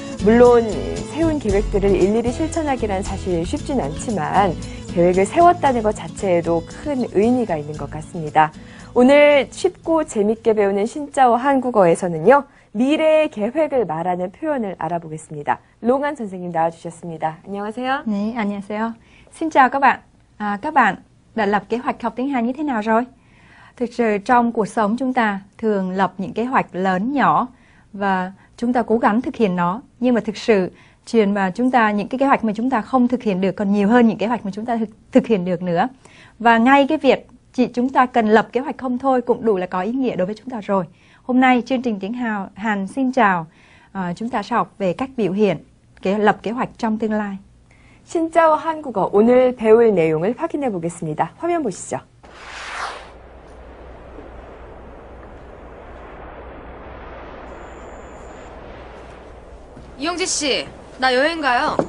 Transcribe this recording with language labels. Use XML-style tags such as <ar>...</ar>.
<ko>물론 세운 계획들을 일일이 실천하기란 사실 쉽진 않지만 계획을 세웠다는 것 자체에도 큰 의미가 있는 것 같습니다. 오늘 쉽고 재밌게 배우는 심지어 한국어에서는요. 미래의 계획을 말하는 표현을 알아보겠습니다. 롱한 선생님 나와주셨습니다. 안녕하세요. 네, 안녕하세요. 심지어 가방.</ko> <vi>À, các bạn đã lập kế hoạch học tiếng Hàn như thế nào rồi? Thực sự trong cuộc sống chúng ta thường lập những kế hoạch lớn nhỏ và chúng ta cố gắng thực hiện nó. Nhưng mà thực sự chuyện mà chúng ta những cái kế hoạch mà chúng ta không thực hiện được còn nhiều hơn những kế hoạch mà chúng ta thực hiện được nữa. Và ngay cái việc chỉ chúng ta cần lập kế hoạch không thôi cũng đủ là có ý nghĩa đối với chúng ta rồi. Hôm nay chương trình tiếng Hàn xin chào. Chúng ta sẽ học về cách biểu hiện lập kế hoạch trong tương lai.</vi> <ko>진짜와 한국어 오늘 배울 내용을 확인해 보겠습니다. 화면 보시죠. 이용재 씨, 나 여행 가요.</ko>